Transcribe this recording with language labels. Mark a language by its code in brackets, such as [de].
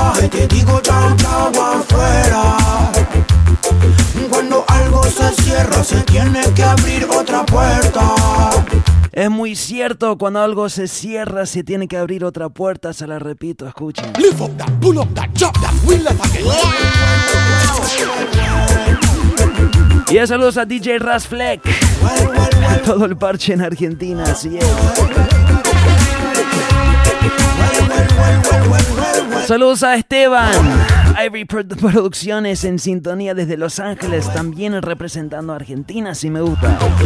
[es] Te digo chao chao afuera. Cuando algo se cierra, se tiene que abrir otra puerta. Es muy cierto, cuando algo se cierra, se tiene que abrir otra puerta. Se la repito, escuchen. [en] Lift up that, pull up that, chop that, wheel that again. [es] Y a saludos a DJ Ras Fleck. A todo el parche en Argentina, así es. Saludos a Esteban, Ivy Producciones en sintonía desde Los Ángeles, también representando a Argentina, si me gusta.